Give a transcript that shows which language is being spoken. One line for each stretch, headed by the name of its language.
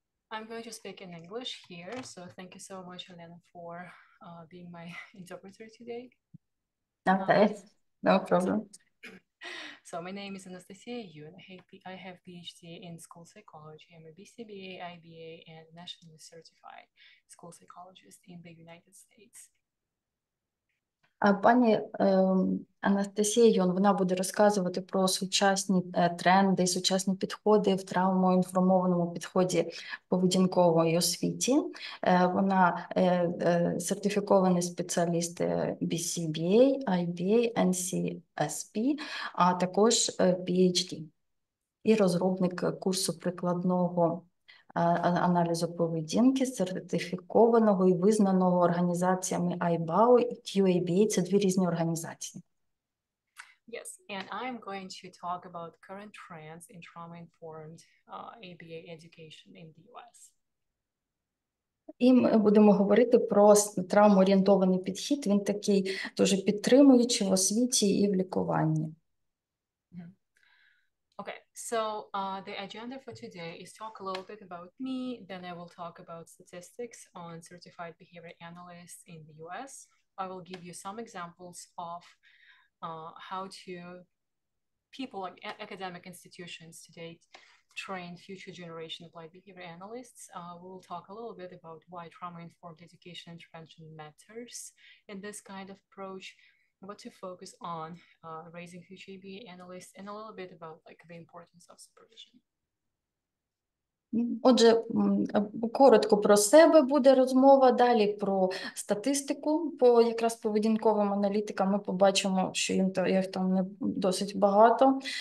English: I'm going to speak in English here, so thank you so much, Elena, for being my interpreter today. Okay. No problem. So my name is Anastasia Yun. I have PhD in school psychology. I'm a BCBA, IBA, and nationally certified school psychologist in the United States.
Ukrainian: Пані Анастасія Йон, вона буде розказувати про сучасні тренди, сучасні підходи в травмоінформованому підході поведінковій освіті. Вона сертифікований спеціаліст BCBA, IBA, NCSP, а також PhD і розробник курсу прикладного аналізу поведінки, сертифікованого і визнаного організаціями IBAO і QABA. Це дві різні організації.
English: Yes, and I'm going to talk about current trends in trauma-informed ABA education in the US.
Ukrainian: І ми будемо говорити про травмоорієнтований підхід. Він такий дуже підтримуючий в освіті і в лікуванні.
English: Okay, so the agenda for today is talk a little bit about me, then I will talk about statistics on certified behavior analysts in the US. I will give you some examples of how to people like academic institutions today train future generation applied behavior analysts. We'll talk a little bit about why trauma-informed education intervention matters in this kind of approach, what to focus on raising future ABA analysts, and a little bit about like the importance of supervision.
Ukrainian: Отже, коротко про себе буде розмова, далі про статистику по якраз поведінковим аналітикам. Ми побачимо, що їх там не досить багато.